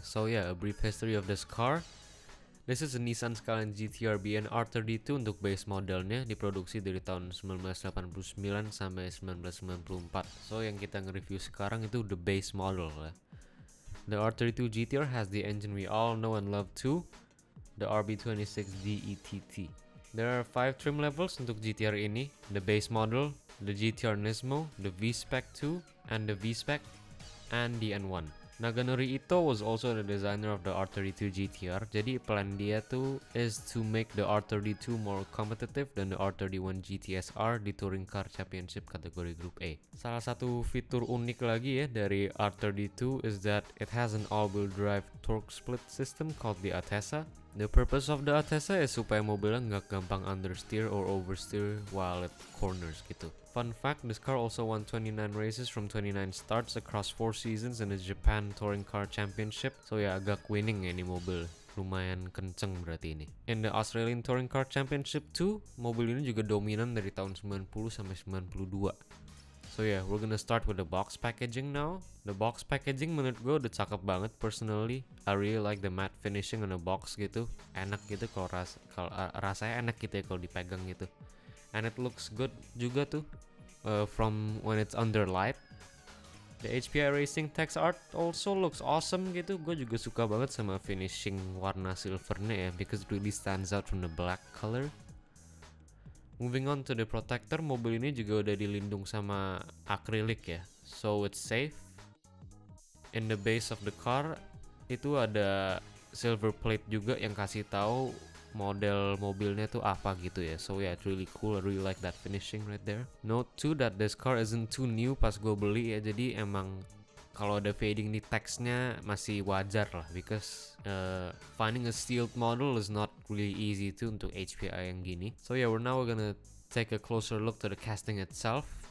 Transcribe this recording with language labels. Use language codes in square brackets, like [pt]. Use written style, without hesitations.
[en] So yeah, a brief history of this car. This is a [id] Nissan Skyline GT-R BNR32 untuk base modelnya, diproduksi dari tahun 1989 sampai 1994. So yang kita nge-review sekarang itu [en] the base model [id] lah. [en] The R32 GT-R has the engine we all know and love too, the RB26 DETT. There are 5 trim levels [id] untuk GTR ini, [en] the base model, the GTR Nismo, the V-Spec 2, and the V-Spec, and the N1. Naganori Ito was also the designer of the R32 GTR, [id] jadi plan dia tuh [en] is to make the R32 more competitive than the R31 GTSR di Touring Car Championship [id] kategori [en] Group A. [id] Salah satu fitur unik lagi ya dari [en] R32 is that it has an all-wheel drive torque split system called the ATESA. The purpose of the ATESA is [id] supaya mobilnya nggak gampang [en] understeer or oversteer while at corners [id] gitu. [en] Fun fact, this car also won 29 races from 29 starts across 4 seasons in the Japan Touring Car Championship. [id] So ya, agak winning ya ini mobil. Lumayan kenceng berarti ini. In the Australian Touring Car Championship 2, mobil ini juga dominan dari tahun 90 sampai 92. [en] So yeah, we're gonna start with the box packaging now. The box packaging [id] menurut gue udah cakep banget [en] personally. I really like the matte finishing on the box [id] gitu. Enak gitu rasanya enak gitu ya kalau dipegang gitu. [en] And it looks good [id] juga tuh [en] from when it's under light. The HPI Racing text art also looks awesome [id] gitu. Gue juga suka banget sama finishing warna silvernya ya, [en] because it really stands out from the black color. Moving on to the protector, [id] mobil ini juga udah dilindung sama akrilik ya, [en] so it's safe. In the base of the car, [id] itu ada silver plate juga yang kasih tahu model mobilnya tuh apa gitu ya. [en] So yeah, it's really cool, I really like that finishing right there. Note too that this car isn't too new [id] pas gue beli ya, jadi emang kalau ada fading di teksnya masih wajar lah, [en] because finding a sealed model is not really easy too [id] untuk HPI yang gini. [en] So yeah, we're gonna take a closer look to the casting itself.